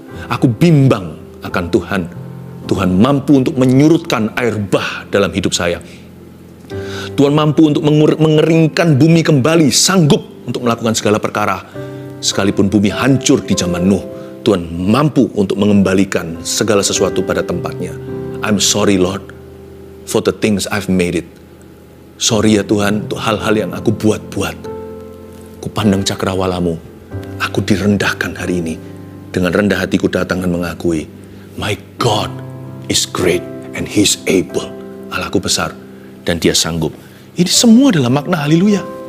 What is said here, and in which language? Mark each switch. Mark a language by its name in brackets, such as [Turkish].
[Indonesian] Aku bimbang akan Tuhan. Tuhan mampu untuk menyurutkan air bah dalam hidup saya. Tuhan mampu untuk mengeringkan bumi kembali, sanggup untuk melakukan segala perkara. Sekalipun bumi hancur di zaman Nuh, Tuhan mampu untuk mengembalikan segala sesuatu pada tempatnya. [English] I'm sorry Lord for the things I've made it. [Indonesian] Sorry ya Tuhan untuk hal-hal yang aku buat-buat. Ku pandang cakrawalamu, aku direndahkan hari ini. Dengan rendah hatiku datang dan mengakui, [English] my God is great and he's able. [Indonesian] Allahku besar dan dia sanggup. Ini semua dalam makna haleluya.